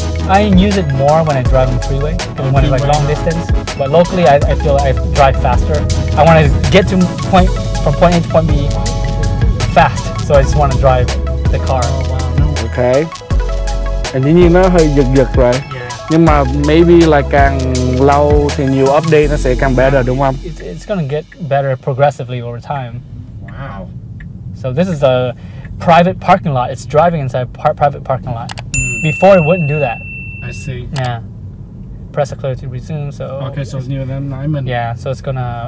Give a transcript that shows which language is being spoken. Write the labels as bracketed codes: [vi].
[en] I use it more when I drive on freeway, and when it's like long distance. But locally, I feel like I drive faster. I want to get to point from point A to point B fast, so I just want to drive the car. Oh, wow. Okay. And then you know how you get right? Yeah. [vi] Nhưng mà [en] maybe [vi] là càng lâu thì nhiều update nó sẽ càng [en] better, [vi] đúng không? [en] It's gonna get better progressively over time. Wow. So this is a private parking lot. It's driving inside a private parking lot. Before it wouldn't do that. I see. Yeah. Press the clear to resume. So. Okay, so it's near the alignment. Yeah, so it's gonna.